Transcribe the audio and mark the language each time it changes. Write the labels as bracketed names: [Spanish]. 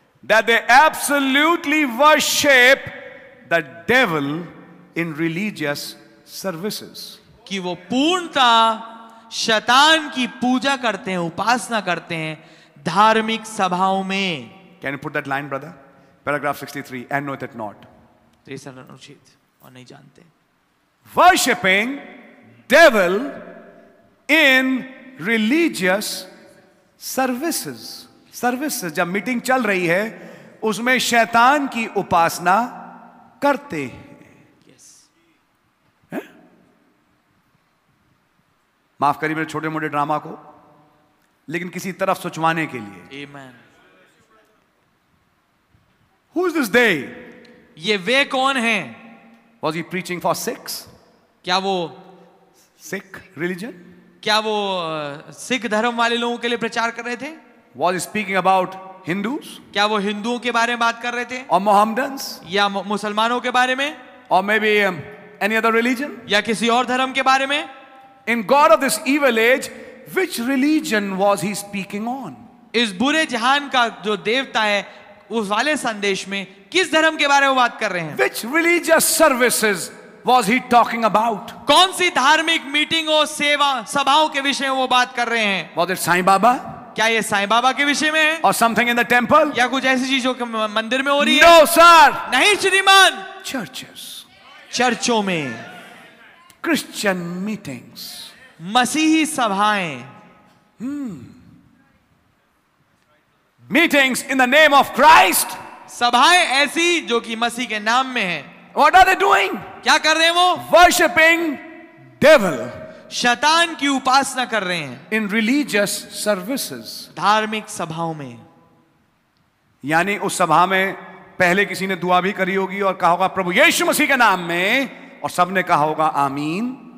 [English] that they absolutely worship the devil in religious services, [Hindi] कि वो पूर्णता शैतान की पूजा करते हैं, उपासना करते हैं धार्मिक सभाओं में। [English] Can you put that line, brother? Paragraph 63, and know that not. [Hindi] तीसरा अनुच्छेद, और नहीं जानते। [English] Worshipping devil in religious services. [Hindi] Services, जब मीटिंग चल रही है उसमें शैतान की उपासना करते हैं। माफ करिए मेरे छोटे मोटे ड्रामा को, लेकिन किसी तरफ सुचवाने के लिए। [English] Amen. Who is this they? [Hindi] ये वे कौन हैं? [English] Was he preaching for Sikhs? [Hindi] क्या वो [English] Sikh religion? [Hindi] क्या वो Sikh धर्म वाले लोगों के लिए प्रचार कर रहे थे? [English] Was he speaking about Hindus? [Hindi] क्या वो हिंदुओं के बारे में बात कर रहे थे? [English] Or Mohammedans? [Hindi] या मुसलमानों के बारे में? [English] Or maybe any other religion? [Hindi] या किसी और धर्म के बारे में? [English] In God of this evil age, which religion was he speaking on? [Hindi] इस बुरे जहान का जो देवता है उस वाले संदेश में किस धर्म के बारे में बात कर रहे हैं? [English] Which religious services was he talking about? [Hindi] कौन सी धार्मिक मीटिंगों, सेवा सभाओं के विषय में वो बात कर रहे हैं? [English] Was it Sai Baba? [Hindi] क्या ये साईं बाबा के विषय में है? [English] Or something in the temple? [Hindi] या कुछ ऐसी चीज जो मंदिर में हो रही है? [English] No, sir. [Hindi] नहीं श्रीमान। [English] Churches. [Hindi] चर्चों में। [English] Christian meetings, [Hindi] मसीही सभाएं, [English] meetings in the name of Christ, [Hindi] सभाएं ऐसी जो कि मसीह के नाम में है। [English] What are they doing? [Hindi] क्या कर रहे हैं वो? [English] Worshipping devil, [Hindi] शैतान की उपासना कर रहे हैं। [English] In religious services, [Hindi] धार्मिक सभाओं में। यानी उस सभा में पहले किसी ने दुआ भी करी होगी और कहा होगा प्रभु यीशु मसीह के नाम में, और सबने कहा होगा आमीन।